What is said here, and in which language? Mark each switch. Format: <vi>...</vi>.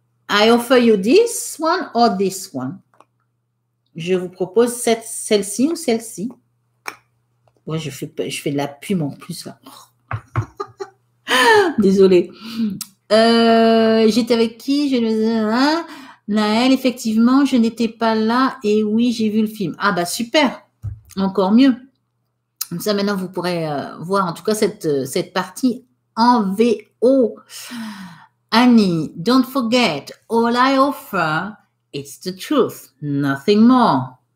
<en>I offer you this one or this one.</en> <fr>Je vous propose celle-ci ou celle-ci. Moi, je fais de la pub en plus là. Désolée. J'étais avec qui? Naël, effectivement, je n'étais pas là et oui, j'ai vu le film. Ah bah super, encore mieux. Comme ça, maintenant, vous pourrez voir en tout cas cette partie en VO.</fr> <en>Annie, don't forget, all I offer is the truth, nothing more.</en>